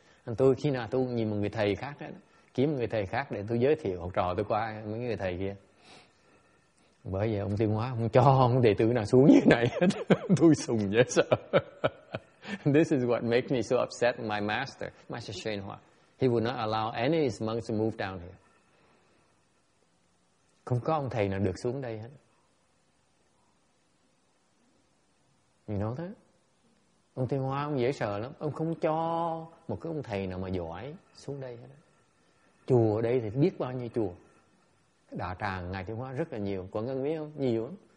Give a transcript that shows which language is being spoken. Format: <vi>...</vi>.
<vi>And tôi khi nào tôi nhìn một người thầy khác đó, kiếm một người thầy khác để tôi giới thiệu học trò tôi qua mấy người thầy kia. Bởi vậy ông Tiên Hóa không cho ông đệ tử nào xuống như này. Tôi sùng dễ sợ.</vi> <en>This is what makes me so upset with my master, Master Shen Hua. He would not allow any of his monks to move down here.</en> <vi>Không có ông thầy nào được xuống đây hết.</vi> <en>You know that?</en> <vi>Ông Thiên Hoa ông dễ sợ lắm. Ông không cho một cái ông thầy nào mà giỏi xuống đây hết. Chùa ở đây thì biết bao nhiêu chùa. Đạo tràng Ngài Thiên Hoa rất là nhiều. Quảng Ngân biết không? Nhiều lắm.</vi>